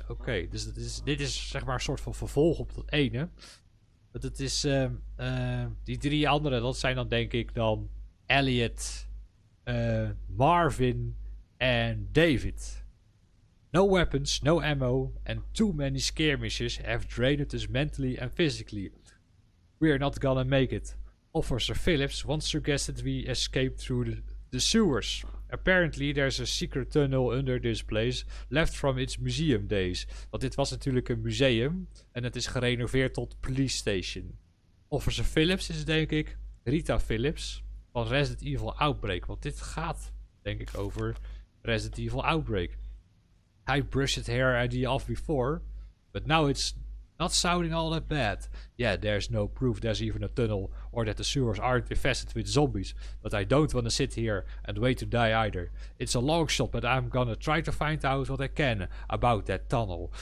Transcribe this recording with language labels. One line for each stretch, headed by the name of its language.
Dutch: Oké, okay, dus dit is zeg maar een soort van vervolg op dat ene. Want het is die drie anderen, dat zijn dan denk ik dan Elliot, Marvin en David.
English: No weapons, no ammo and too many skirmishes have drained us mentally and physically. We are not gonna make it. Officer Phillips once suggested we escape through the sewers. Apparently there's a secret tunnel under this place left from its museum days.
Dutch: Want dit was natuurlijk een museum en het is gerenoveerd tot police station. Officer Phillips is denk ik Rita Phillips van Resident Evil Outbreak. Want dit gaat denk ik over Resident Evil Outbreak.
English: I brushed her idea off before, but now it's not sounding all that bad. Yeah, there's no proof there's even a tunnel or that the sewers aren't infested with zombies. But I don't want to sit here and wait to die either. It's a long shot, but I'm gonna try to find out what I can about that tunnel.